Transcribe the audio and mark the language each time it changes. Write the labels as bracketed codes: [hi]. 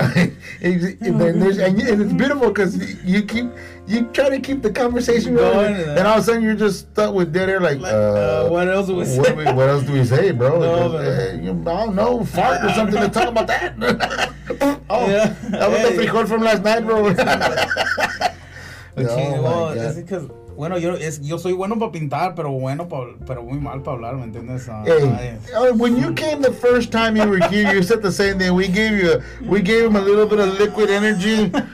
[en] And it's beautiful because you try to keep the conversation going, and all of a sudden you're just stuck with dead air, what else do we say, bro? No, I don't know, fart or something to talk about that. That was the frijol from last night, bro. Oh, my God. Is it because [es] Bueno, yo soy bueno para pintar, pero bueno, pero muy mal para hablar, ¿me entiendes? [en] When you came the first time you were here, you said the same thing. We gave him a little bit of liquid energy.